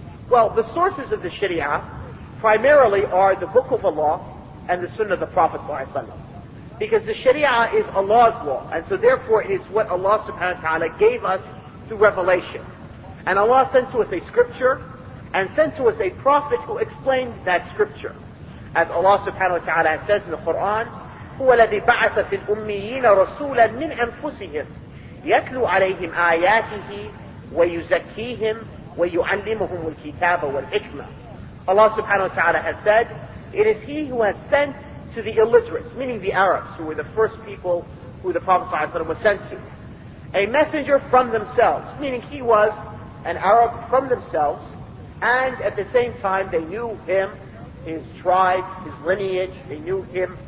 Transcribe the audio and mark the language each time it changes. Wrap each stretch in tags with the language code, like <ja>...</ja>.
<en>Well, the sources of the Sharia primarily are the Book of Allah and the Sunnah of the Prophet ﷺ. Because the Sharia is Allah's law, and so therefore it is what Allah subhanahu wa ta'ala gave us through revelation. And Allah sent to us a scripture, and sent to us a prophet who explained that scripture. As Allah subhanahu wa ta'ala says in the Quran,</en> <ar>هُوَ الَّذِي بَعَثَ فِي الْأُمِّيِّينَ رَسُولًا مِّنْ أَنفُسِهِمْ يَتْلُوا عَلَيْهِمْ آيَاتِهِ وَيُزَكِّيهِمْ وَيُعَلِّمُهُمُ الْكِتَابَ وَالْحِكْمَةِ.</ar> <en>Allah subhanahu wa ta'ala has said, it is He who has sent to the illiterates, meaning the Arabs, who were the first people who the Prophet sallallahu alayhi wa sallam was sent to, a messenger from themselves, meaning he was an Arab from themselves, and at the same time they knew him, his tribe, his lineage, they knew him.</en>